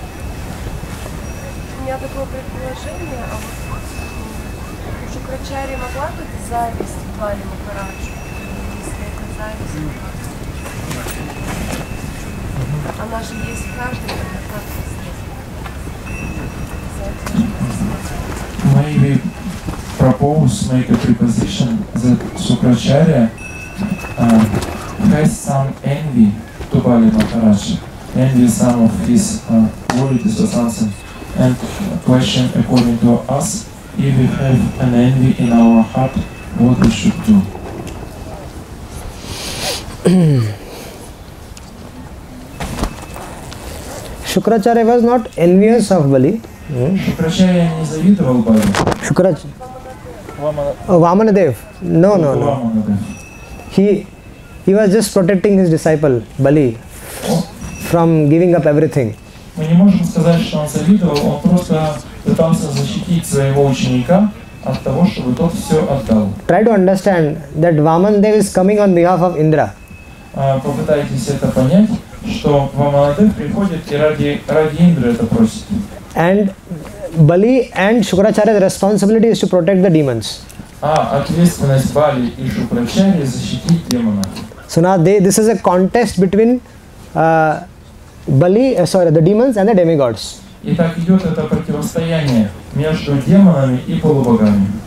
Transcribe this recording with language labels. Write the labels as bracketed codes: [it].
[ru] У меня такое предположение, а вот у Шукрачари могла быть зависть к Бали Махараджу? Если это зависть, она же есть в каждой конфликте. [en] Maybe propose, make a preposition that Шукрачари has some envy to Bali Maharaj, envy some of his qualities or something, and question according to us, if we have an envy in our heart, what we should do? Shukracharya was not envious of Bali. [ru] Shukracharya не завидовал Бали. [en] Vamanadev. No. He was just protecting his disciple, Bali, from giving up everything. [ru] Мы не можем сказать, что он завидовал, он просто пытался защитить своего ученика от того, чтобы тот все отдал. [en] Try to understand that Vamandev is coming on behalf of Indra. [ru] Попытайтесь это понять, что Vamanadev приходит и ради Индры это просит. [en] And Bali and Shukracharya's responsibility is to protect the demons. [ru] Ответственность Бали и Шукрачарьи защитить демона. [en] So now this is a contest between the demons and the demigods. [ru] И так идет это противостояние между демонами и полубогами.